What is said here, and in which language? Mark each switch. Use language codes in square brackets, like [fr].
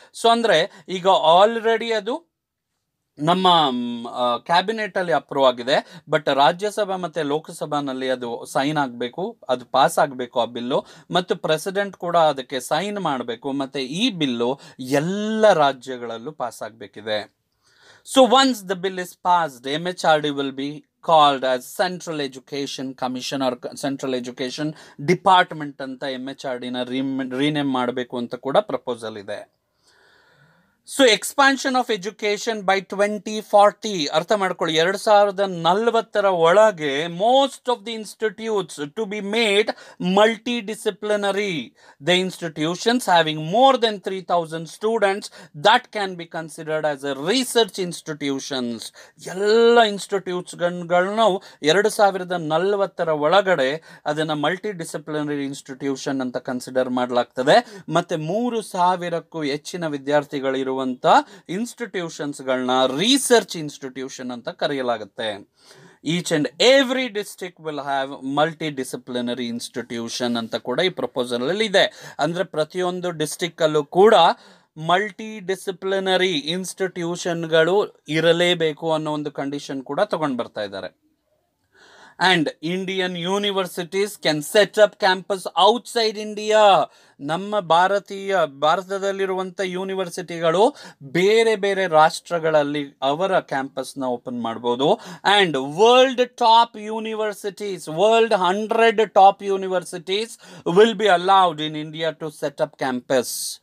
[kn] So ಅಂದರೆ ಈಗ already ಅದು ನಮ್ಮ ಕ್ಯಾಬಿನೆಟಲ್ಲಿ ಅಪ್ರೂವ್ ಆಗಿದೆ, ಬಟ್ ರಾಜ್ಯಸಭಾ ಮತ್ತು ಲೋಕಸಭಾನಲ್ಲಿ ಅದು ಸೈನ್ ಆಗಬೇಕು, ಅದು ಪಾಸ್ ಆಗಬೇಕು ಆ ಬಿಲ್ಲು, ಮತ್ತು ಪ್ರೆಸಿಡೆಂಟ್ ಕೂಡ ಅದಕ್ಕೆ ಸೈನ್ ಮಾಡಬೇಕು, ಮತ್ತು ಈ ಬಿಲ್ಲು ಎಲ್ಲ ರಾಜ್ಯಗಳಲ್ಲೂ ಪಾಸ್ ಆಗಬೇಕಿದೆ. [en] so once the bill is passed, MHRD will be called as [kn] Central Education Commission or Central Education Department ಅಂತ MHRD ನ ರೀನೇಮ್ ಮಾಡಬೇಕು ಅಂತ ಕೂಡ ಪ್ರಪೋಸಲ್ ಇದೆ. [en] so expansion of education by 2040, [kn] ಅರ್ಥ ಮಾಡ್ಕೊಳ್ಳಿ 2040 ಒಳಗೆ [en] Most of the institutes to be made multi disciplinary, the institutions having more than 3,000 students that can be considered as a research institutions. [kn] ಎಲ್ಲ ಇನ್ಸ್ಟಿಟ್ಯೂಟ್ಸ್ಗಳನ್ನ 2040 ಒಳಗಡೆ ಅದನ್ನು ಮಲ್ಟಿ ಡಿಸಿಪ್ಲಿನರಿ ಇನ್ಸ್ಟಿಟ್ಯೂಷನ್ ಅಂತ consider ಮಾಡಲಾಗ್ತದೆ. ಮತ್ತು 3,000 ಹೆಚ್ಚಿನ ವಿದ್ಯಾರ್ಥಿಗಳಿರುವಂಥ ಇನ್ಸ್ಟಿಟ್ಯೂಷನ್ಸ್ ಗಳನ್ನ ರಿಸರ್ಚ್ ಇನ್ಸ್ಟಿಟ್ಯೂಷನ್ ಅಂತ ಕರೆಯಲಾಗುತ್ತೆ. [en] each and every district will have multi disciplinary institution [kn] ಅಂತ ಕೂಡ ಈ ಪ್ರಪೋಸಲ್ ಅಲ್ಲಿ ಇದೆ. ಅಂದ್ರೆ ಪ್ರತಿಯೊಂದು ಡಿಸ್ಟ್ರಿಕ್ಟ್ ಅಲ್ಲೂ ಕೂಡ ಮಲ್ಟಿ ಡಿಸಿಪ್ಲಿನರಿ ಇನ್ಸ್ಟಿಟ್ಯೂಷನ್ಗಳು ಇರಲೇಬೇಕು ಅನ್ನೋ ಒಂದು ಕಂಡೀಷನ್ ಕೂಡ ತಗೊಂಡು ಬರ್ತಾ ಇದ್ದಾರೆ. [en] And Indian universities can set up campus outside India. [kn] ನಮ್ಮ ಭಾರತೀಯ ಭಾರತದಲ್ಲಿರುವಂಥ ಯೂನಿವರ್ಸಿಟಿಗಳು ಬೇರೆ ಬೇರೆ ರಾಷ್ಟ್ರಗಳಲ್ಲಿ ಅವರ ಕ್ಯಾಂಪಸ್ನ ಓಪನ್ ಮಾಡ್ಬೋದು. [en] And world top universities, world 100 top universities will be allowed in India to set up campus.